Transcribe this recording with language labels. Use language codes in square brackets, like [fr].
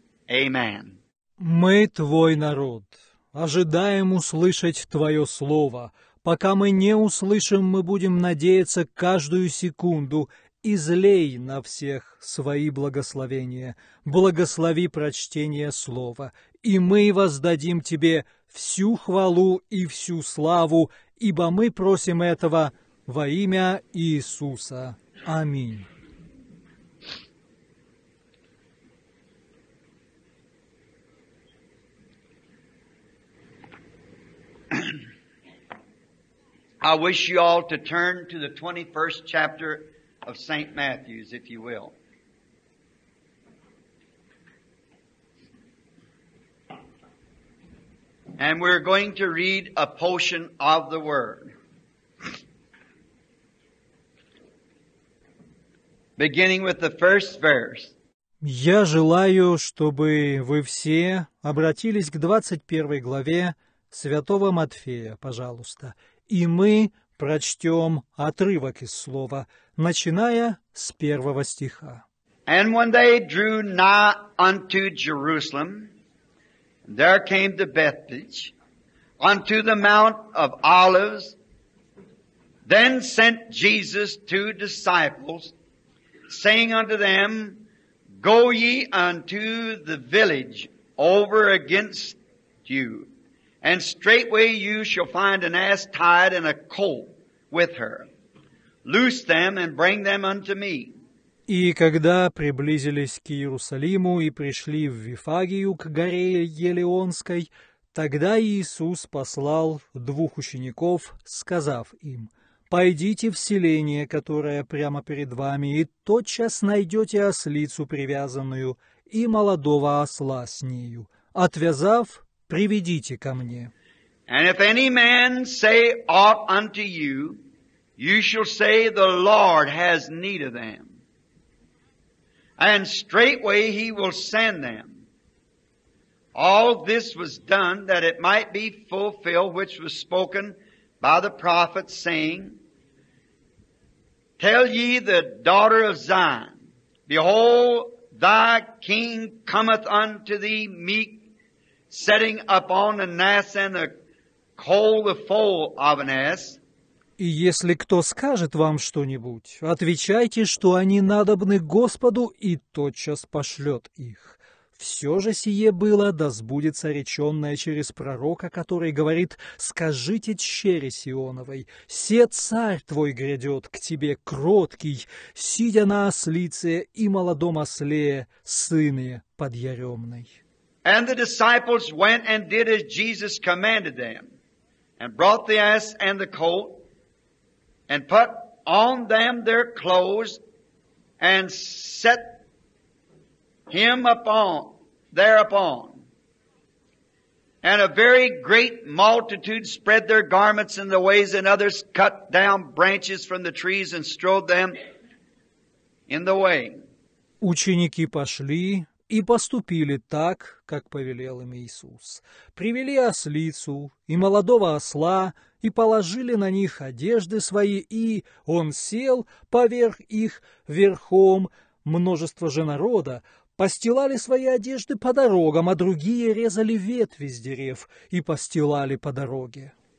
[en] Amen. [ru] Мы твой народ. Ожидаем услышать твое слово. Пока мы не услышим, мы будем надеяться каждую секунду. Излей на всех свои благословения. Благослови прочтение слова. И мы воздадим тебе всю хвалу и всю славу, ибо мы просим этого во имя Иисуса. Аминь. [en] I wish you all to turn to the 21st chapter of St. Matthew's, if you will. And we're going to read a portion of the Word. Beginning with the first verse. [ru] Я желаю, чтобы вы все обратились к 21 главе Святого Матфея, пожалуйста, и мы прочтем отрывок из слова, начиная с первого стиха. [en] And when they drew nigh unto Jerusalem, there came to Bethphage, unto the Mount of Olives, then sent Jesus two disciples, saying unto them, Go ye unto the village over against you, and straightway you shall find an ass tied and a colt with her. Loose them and bring them unto me. [ru] И когда приблизились к Иерусалиму и пришли в Вифагию к горе Елеонской, тогда Иисус послал двух учеников, сказав им: «Пойдите в селение, которое прямо перед вами, и тотчас найдете ослицу привязанную и молодого осла с нею. Отвязав, приведите ко мне». [en] And if any man say aught unto you, you shall say, the Lord has need of them. And straightway he will send them. All this was done that it might be fulfilled, which was spoken by the prophet, saying, Tell ye the daughter of Zion, Behold, thy king cometh unto thee meek, setting upon an ass and a colt the foal of an ass. [ru] И если кто скажет вам что-нибудь, отвечайте, что они надобны Господу, и тотчас пошлет их. Все же сие было, да сбудется реченное через пророка, который говорит: «Скажите дщери Сионовой, се царь твой грядет к тебе, кроткий, сидя на ослице и молодом осле, сыне подъяремной». [en] And the disciples went and did as Jesus commanded them, and brought the ass and the colt, and put on them their clothes, and set him upon thereupon. And a very great multitude spread their garments in the ways, and others cut down branches from the trees and strode them in the way. [ru] Ученики пошли и поступили так, как повелел им Иисус. Привели ослицу и молодого осла, и положили на них одежды свои, и он сел поверх их верхом. Множество же народа постилали свои одежды по дорогам, а другие резали ветви с дерев и постилали по дороге.